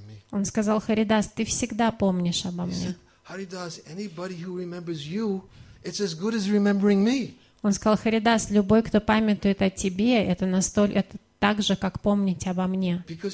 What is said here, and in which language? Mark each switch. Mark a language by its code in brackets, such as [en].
[ru] Он сказал: «Харидас, Ты всегда помнишь обо мне». [en] «Харидас, anybody who remembers you, it's as good as remembering me». [ru] Он сказал: «Харидас, любой, кто памятует о Тебе, это так же, как помнить обо мне.